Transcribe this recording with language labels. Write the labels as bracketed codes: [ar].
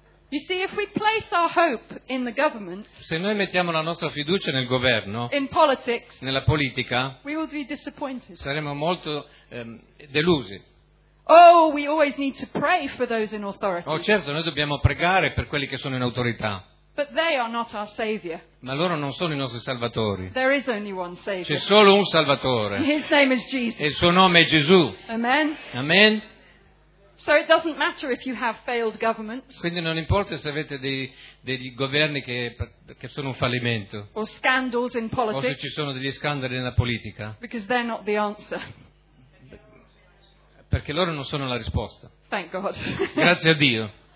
[en] You see, if we place our hope in the government, [it] se noi mettiamo la nostra fiducia nel governo, [en] in politics, [it] nella politica, [en] we will be disappointed. [it] Saremo molto delusi. [en] Oh, we always need to pray for those in authority. [it] Oh, certo, noi dobbiamo pregare per quelli che sono in autorità. [en] But they are not our savior. [it] Ma loro non sono i nostri salvatori. [en] There is only one savior. [it] C'è solo un salvatore. [en] His name is Jesus. [it] E il suo nome è Gesù. [en] Amen. [it] Amen. [en] So it doesn't matter if you have failed governments. [it] Quindi non importa se avete dei governi che sono un fallimento. [en] Or scandals in politics. [it] O se ci sono degli scandali nella politica. [en] Because they're not the answer. [it] Perché loro non sono la risposta. [en] Thank God. [it] Grazie a Dio.